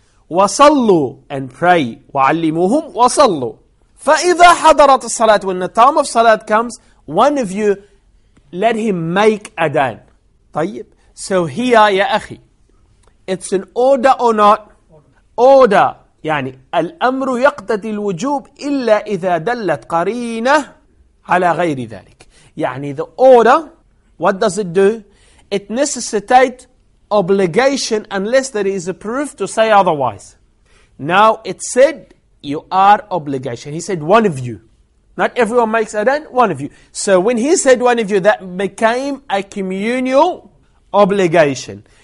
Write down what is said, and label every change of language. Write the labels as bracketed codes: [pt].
[ar] وَصَلُّوا [en] and pray. [ar] وَعَلِّمُوهُمْ وَصَلُّوا. فَإِذَا حَضَرَتِ الصَّلَاةِ [en] when the time of salat comes, one of you, let him make adhan. [ar] طيب. [en] So here, يا أخي, it's an order or not? Order. [ar] يعني, الأمر يقتضي الوجوب إلا إذا دلت قرينة على غير ذلك. [en] يعني, the order, what does it do? It necessitates obligation unless there is a proof to say otherwise. Now, it said, you are obligation. He said, one of you. Not everyone makes adhan, one of you. So when he said one of you, that became a communal obligation.